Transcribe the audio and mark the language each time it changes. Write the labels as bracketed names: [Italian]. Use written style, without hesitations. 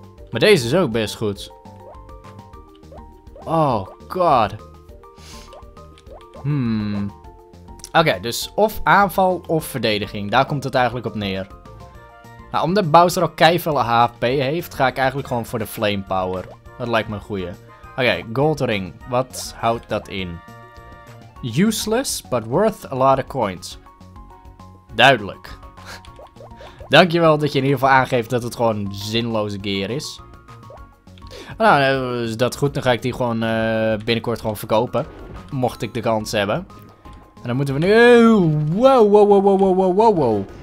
[Dutch] Maar deze is ook best goed. Oh god. Oké, dus of aanval of verdediging. Daar komt het eigenlijk op neer. Nou, omdat Bowser al keiveel HP heeft, ga ik eigenlijk gewoon voor de flame power. Dat lijkt me een goeie. Oké, gold ring. Wat houdt dat in? [English] Useless, but worth a lot of coins. [Dutch] Duidelijk. Dankjewel dat je in ieder geval aangeeft dat het gewoon zinloze gear is. Nou, is dat goed? Dan ga ik die gewoon binnenkort gewoon verkopen. Mocht ik de kans hebben. En dan moeten we nu... Wow.